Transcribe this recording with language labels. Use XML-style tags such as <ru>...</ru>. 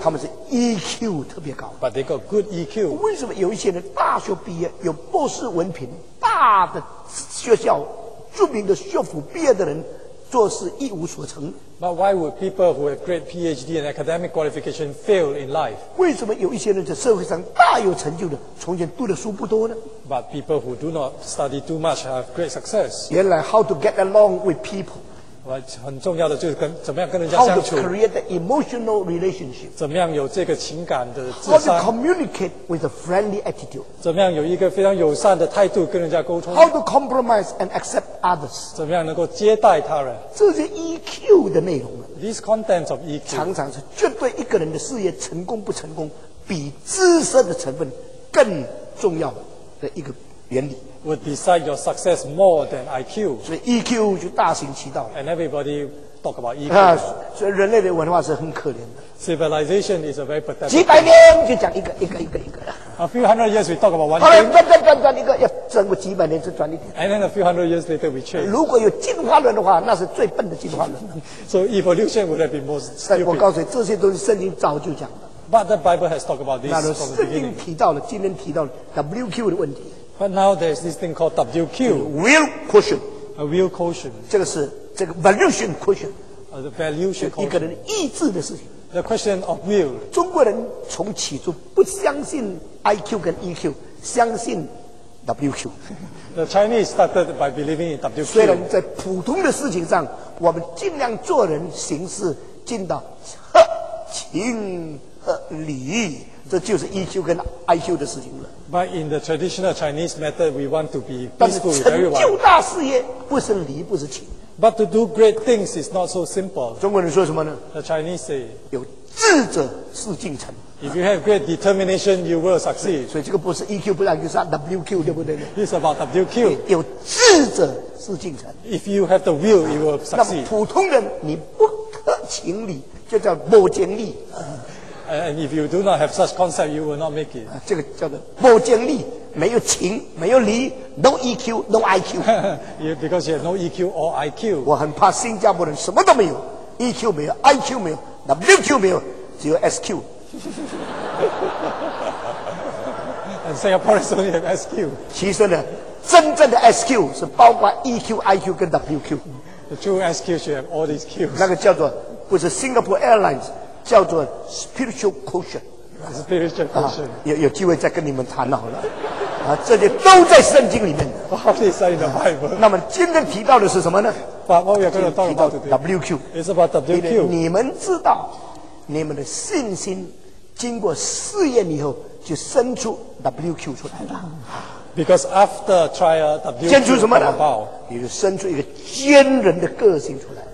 <zh>他们是 EQ 特别高。</zh> <en>But they got good EQ.</en> <zh>为什么有一些人大学毕业有博士文凭，大的学校、著名的学府毕业的人，做事一无所成</zh> <en>？But why would people who have great PhD and academic qualification fail in life?</en> <zh>为什么有一些人在社会上大有成就的，从前读的书不多呢</zh> <en>？But people who do not study too much have great success.</en> <zh>原来</zh> <en>how to get along with people.</en> <zh>很重要的就是跟怎么样跟人家相处。</zh> <en>How to create the emotional relationship？</en> <zh>怎么样有这个情感的智</zh> <en>商 ？How to communicate with a friendly attitude？</en> <zh>怎么样有一个非常友善的态度跟人家沟通</zh> <en>？How to compromise and accept others？</en> <zh>怎么样能够接待他人？这些 EQ 的内容</zh> <en>，These contents of EQ，</en> <zh>常常是绝对一个人的事业成功不成功，比知识的成分更重要的一个原理。</zh> <en>Would decide your success more than IQ.</en> <zh>所以 EQ 就大行其道。</zh> <en>And everybody talk about EQ.</en> <zh>所以人类的文化是很可怜的。</zh> <en>Civilization is a very pathetic.</en> <zh>几百年就讲一个。</zh> <en>A few hundred years we talk about one thing.</en> <zh>转一个，要整个几百年就转一点。</zh> <en>And then a few hundred years later we change.</en> <zh>如果有进化论的话，那是最笨的进化论。</zh> <en>So evolution would have been most stupid.</en> <zh>我告诉你，这些都是圣经早就讲的。</zh> <en>But the Bible has talked about this from the beginning.</en> <zh>圣经提到了，今天提到了 WQ 的问题。</zh> <en>But now there's this thing called WQ, will quotient, a will quotient.</en> <zh>这个是这个</zh> <en>valuation quotient, the valuation quotient.</en> <zh>一个人意志的事情。</zh> <en>The question of will.</en> <zh>中国人从起初不相信 IQ 跟 EQ, 相信 WQ.</zh> <en>The Chinese started by believing in WQ.</en> <zh>虽然在普通的事情上，我们尽量做人行事尽到合情合理。这就是 EQ 跟 IQ 的事情了。</zh> <en>But in the traditional Chinese method, we want to be peaceful with everyone.</en> <zh>但是成就大事业不是理不是情。</zh> <en>But to do great things is not so simple.</en> <zh>中国人说什么呢</zh> <en>？The Chinese say,</en> <zh>有志者事竟成。</zh> <en>If you have great determination, you will succeed.</en> <zh>所以这个不是 EQ， 不然就是 WQ， 对不对</zh> <en>？It's about WQ.</en> <zh>有志者事竟成。</zh> <en>If you have the will, you will succeed.</en> <zh>那普通人你不合情理，就叫不经历。</zh> <en>And if you do not have such concept, you will not make it.</en> <zh>这个叫做不经历，没有情，没有理 ，</zh> <en>no EQ, no IQ. Because you have no EQ or IQ.</en> <zh>我很怕新加坡人什么都没有 ，EQ 没有 ，IQ 没有 ，WQ 没有，只有 SQ.</zh> <en>And Singaporeans only have SQ.</en> <zh>其实呢，真正的 SQ 是包括 EQ、IQ 跟 WQ。</zh> <en>The true SQ should have all these Qs.</en> <zh>那个叫做不是 Singapore Airlines， 叫做 Spiritual Quotient。</zh> <en>Spiritual Quotient、啊。</en> <zh>有机会再跟你们谈好了。啊，这些都在圣经里面的。</zh> <en>All these are in the Bible.、</en> <zh>那么今天提到的是什么呢</zh> <en>？But what we are going to talk about today? WQ. It's about WQ.</en> <zh>你们知道，你们的信心经过试验以后，就生出 WQ 出来了。</zh> <en>Because after trial, WQ come about.</en> <zh>你就生出一个坚韧的个性出来。</zh>